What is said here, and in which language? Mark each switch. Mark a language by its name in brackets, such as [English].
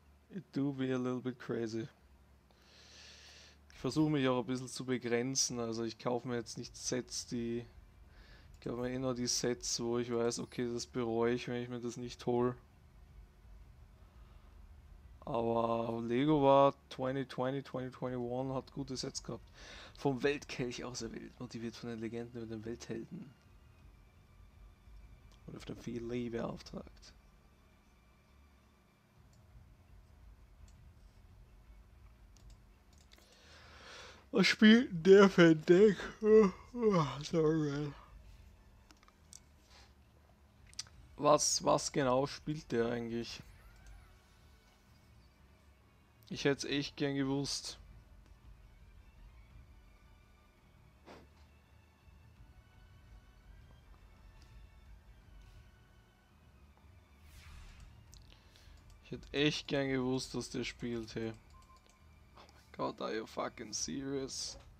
[English] It do be a little bit crazy. [German] Ich versuche mich auch ein bisschen zu begrenzen. Also ich kaufe mir jetzt nicht Sets, die. Ich kaufe mir eh nur die Sets, wo ich weiß, okay, das bereue ich, wenn ich mir das nicht hole. Aber Lego war 2020, 2021, hat gute Sets gehabt. Vom Weltkelch auserwählt, motiviert von den Legenden über den Welthelden. Und auf der viel Liebe beauftragt. Was spielt der für ein Deck? Sorry. Was genau spielt der eigentlich? Ich hätte es echt gern gewusst. Ich hätte echt gern gewusst, dass der spielt, hey. [English] God, are you fucking serious?